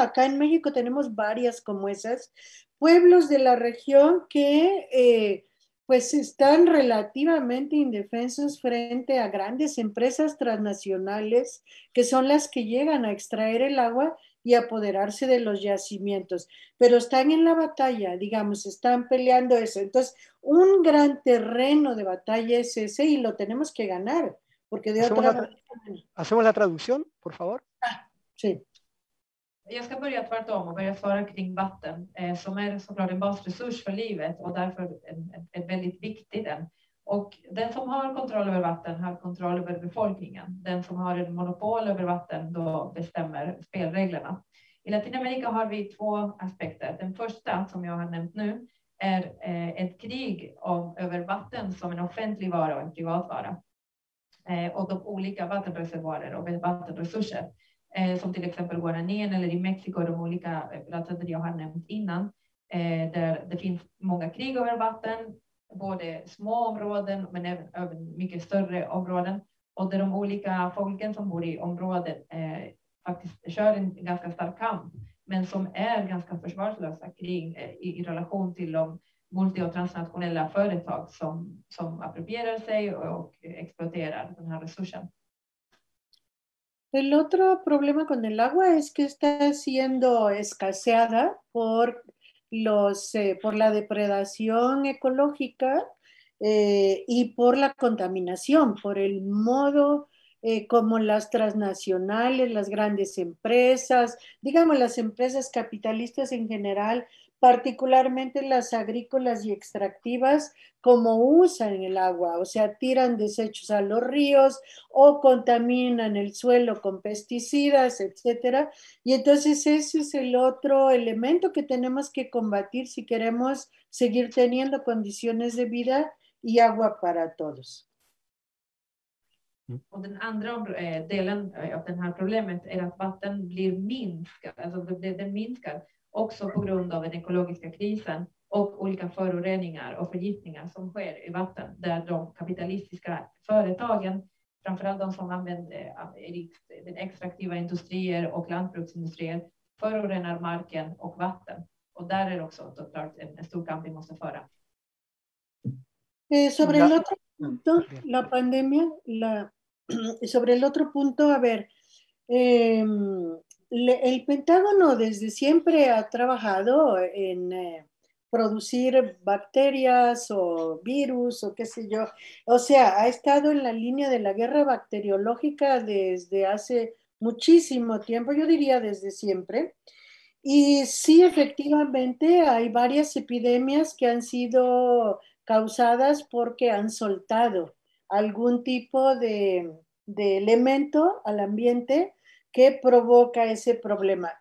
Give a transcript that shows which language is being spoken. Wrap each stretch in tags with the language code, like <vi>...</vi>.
<es>Acá en México tenemos varias como esas, pueblos de la región que pues están relativamente indefensos frente a grandes empresas transnacionales que son las que llegan a extraer el agua y apoderarse de los yacimientos, pero están en la batalla, digamos, están peleando eso. Entonces, un gran terreno de batalla es ese y lo tenemos que ganar, porque de otra manera... ¿Hacemos la traducción, por favor? Sí.</es> <sv>Jag ska börja tvärtom och börja svara kring vatten, som är såklart en basresurs för livet och därför är väldigt viktig den. Och den som har kontroll över vatten har kontroll över befolkningen. Den som har en monopol över vatten då bestämmer spelreglerna. I Latinamerika har vi två aspekter. Den första som jag har nämnt nu är ett krig över vatten som en offentlig vara och en privat vara. Och de olika vattenreservoarer och vattenresurser. Som till exempel Guaranien eller i Mexiko, de olika platser jag har nämnt innan. Där det finns många krig över vatten. Både små områden men även mycket större områden. Och där de olika folken som bor i området faktiskt kör en ganska stark kamp. Men som är ganska försvarslösa kring i relation till de multi- och transnationella företag som approprierar sig och exploaterar den här resursen.</sv> <es>El otro problema con el agua es que está siendo escaseada por la depredación ecológica y por la contaminación, por el modo como las transnacionales, las grandes empresas, digamos las empresas capitalistas en general, particularmente las agrícolas y extractivas, como usan el agua, o sea, tiran desechos a los ríos o contaminan el suelo con pesticidas, etcétera. Y entonces ese es el otro elemento que tenemos que combatir si queremos seguir teniendo condiciones de vida y agua para todos.</es> <sv>Och den andra delen av det här problemet är att vatten blir minskad, alltså den minskar också på grund av den ekologiska krisen och olika föroreningar och förgiftningar som sker i vatten där de kapitalistiska företagen, framförallt de som använder den extraktiva industrier och lantbruksindustrier, förorenar marken och vatten. Och där är också såklart en stor kamp vi måste föra.</sv> <es>Sobre el otro punto, la pandemia, sobre el otro punto, a ver, el Pentágono desde siempre ha trabajado en producir bacterias o virus o qué sé yo, o sea, ha estado en la línea de la guerra bacteriológica desde hace muchísimo tiempo, yo diría desde siempre, y sí, efectivamente, hay varias epidemias que han sido causadas porque han soltado algún tipo de elemento al ambiente que provoca ese problema.</es>